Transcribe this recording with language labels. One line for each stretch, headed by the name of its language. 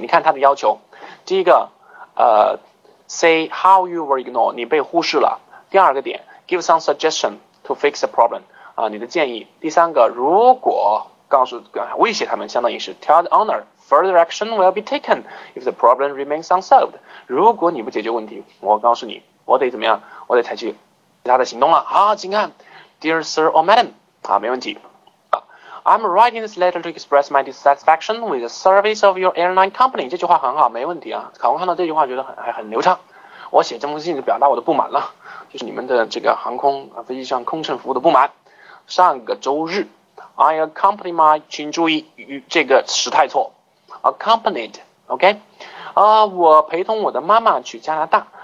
Chinese: 你看他的要求，第一个，
English: say how you were ignored，
Chinese: 你被忽视了。第二个点 ，
English: give some suggestion to fix the problem，
Chinese: 你的建议。第三个，如果告诉威胁他们，相当于是
English: tell the owner further action will be taken if the problem remains unsolved。
Chinese: 如果你不解决问题，我告诉你，我得怎么样？我得采取其他的行动了。好，请看，Dear Sir or Madam，好，没问题。
English: I'm writing this letter to express my dissatisfaction with the service of your airline company。
Chinese: 这句话很好，没问题啊。考官看到这句话，觉得很流畅。我写这封信是表达我的不满了，就是你们的这个航空啊飞机上空乘服务的不满。上个周日，
English: I accompany my，
Chinese: 请注意与这个时态错，accompanied，OK，我陪同我的妈妈去加拿大。